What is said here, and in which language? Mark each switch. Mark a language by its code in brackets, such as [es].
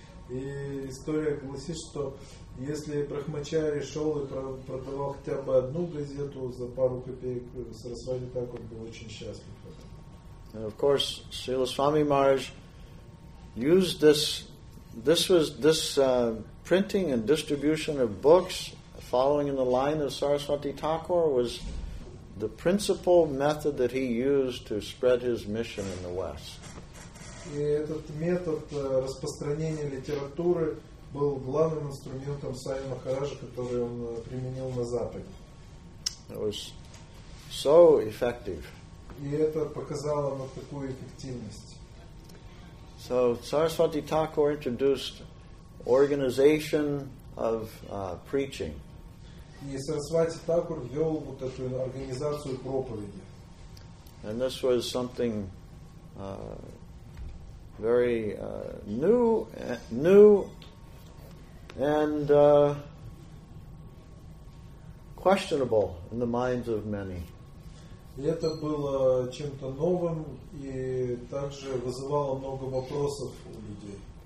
[ru] И история гласит, что если брахмачари шел и продавал хотя бы одну газету за пару копеек, Сарасвати Такур был очень счастлив. [en] And of course, Srila Swami Maharaj used this printing and distribution of books following in the line of Saraswati Thakur was the principal method that he used to spread his mission in the West. [ru] И этот метод распространения литературы был главным инструментом Сами Махараджа, который он применил на Западе. [en] It was so effective. [ru] И это показало нам такую эффективность. [en] So Saraswati Thakur introduced organization of preaching. [ru] И Сарасвати Такур ввел вот эту организацию проповеди. [en] And this was something very new and questionable in the minds of many. [ru] И это было чем-то новым и также вызывало много вопросов у людей.